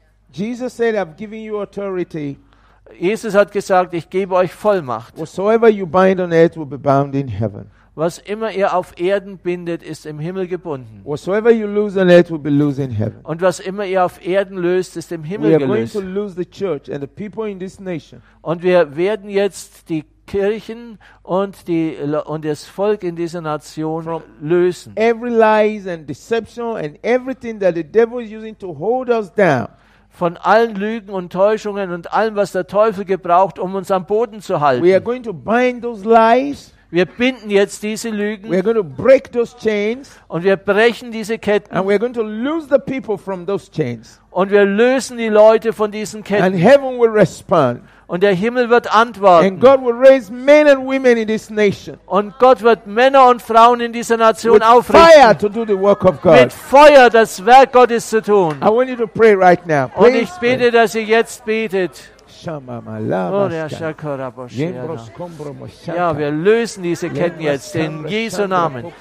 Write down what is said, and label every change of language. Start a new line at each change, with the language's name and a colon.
English: Jesus said, I've given you authority.
German: Jesus hat gesagt, ich gebe euch Vollmacht.
English: Whatsoever you bind on earth will be bound in heaven.
German: Was immer ihr auf Erden bindet, ist im Himmel gebunden.
English: Whatsoever you lose on earth will be loosed in heaven.
German: Und was immer ihr auf Erden löst, ist im Himmel gelöst.
English: We are going to lose the church and the people in this nation.
German: Und wir werden jetzt die Kirchen und das Volk in dieser Nation lösen.
English: Every lies and deception and everything that the devil is using to hold us down.
German: Von allen Lügen und Täuschungen und allem, was der Teufel gebraucht, um uns am Boden zu halten.
English: We are going to bind those lies.
German: Wir binden jetzt diese Lügen.
English: We are going to break those chains.
German: Und wir brechen diese Ketten.
English: And we are going to lose the people from those chains.
German: Und wir lösen die Leute von diesen Ketten.
English: And heaven will respond.
German: Und der Himmel wird antworten.
English: And God will raise men and women in this nation.
German: Und Gott wird Männer und Frauen in dieser Nation
English: with
German: aufrichten.
English: Fire to do the work of God.
German: Mit Feuer das Werk Gottes zu tun.
English: I want you to pray right now. Pray
German: und ich bete, dass ihr jetzt betet. Ja, wir lösen diese Ketten jetzt in Jesu Namen.